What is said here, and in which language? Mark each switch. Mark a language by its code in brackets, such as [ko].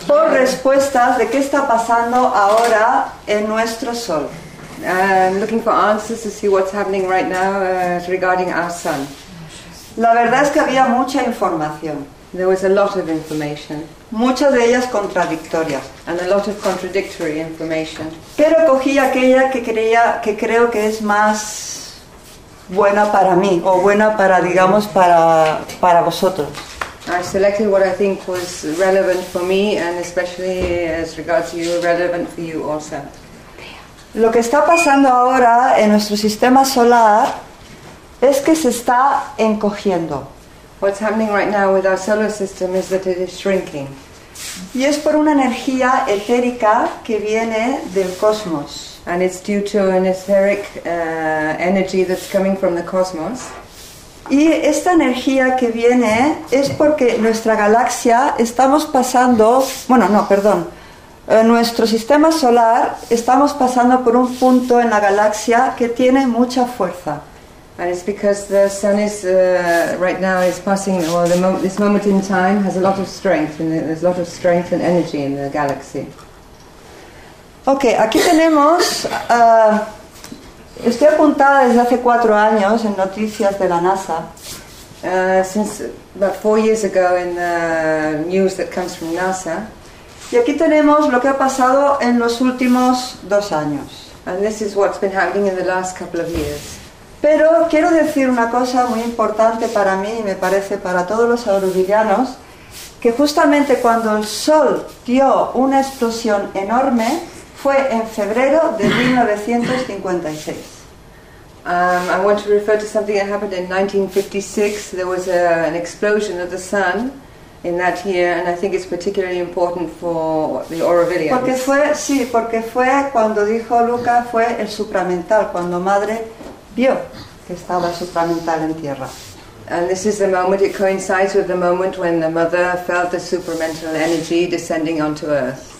[es] Por respuestas de qué está pasando ahora en nuestro sol. [en] I'm looking for answers to see what's happening right now regarding our sun. [es] La verdad es que había mucha información. [en] There was a lot of information. [es] Muchas de ellas contradictorias. [en] And a lot of contradictory information. [es] Pero cogí aquella que creo que es más buena para mí, o buena para, digamos, para vosotros. [en] I selected what I think was relevant for me, and especially as regards you, relevant for you also. [es] Lo que está pasando ahora en nuestro sistema solar es que se está encogiendo. [en] What's happening right now with our solar system is that it is shrinking. [es] Y es por una energía etérica que viene del cosmos. [en] And it's due to an etheric energy that's coming from the cosmos. [es] Y esta energía que viene es porque nuestra galaxia estamos pasando, bueno, no, perdón. En nuestro sistema solar estamos pasando por un punto en la galaxia que tiene mucha fuerza. [en] And it's because the sun is right now is passing, or this moment in time has a lot of strength, and there's a lot of strength and energy in the galaxy. [es] Okay, aquí tenemos. Estoy apuntada desde hace 4 años en noticias de la NASA. [en] Since about 4 years ago in the news that comes from NASA. [es] Y aquí tenemos lo que ha pasado en los últimos 2 años. [en] And this is what's been happening in the last couple of years. [es] Pero quiero decir una cosa muy importante para mí y me parece para todos los aurovillanos, que justamente cuando el Sol dio una explosión enorme fue en febrero de 1956. [en] I want to refer to something that happened in 1956. There was an explosion of the Sun in that year, and I think it's particularly important for the Aurovillians. [es] Porque fue, sí, porque fue cuando dijo Luca, fue el supramental, cuando madre vio que estaba supramental en tierra. [en] And this is the moment, it coincides with the moment when the mother felt the supramental energy descending onto Earth.